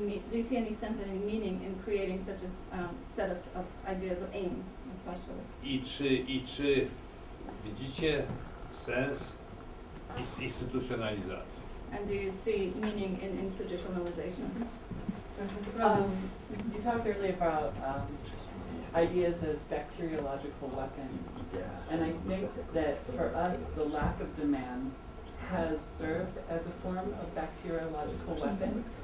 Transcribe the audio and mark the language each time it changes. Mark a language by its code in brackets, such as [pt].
[en] Do you see any sense, any meaning in creating such a set of ideas or aims and postulates? [pl] I czy widzicie sens instytucjonalizacji? [en] And do you see meaning in institutionalization? You talked earlier about ideas as bacteriological weapons. And I think that for us, the lack of demands has served as a form of bacteriological weapon.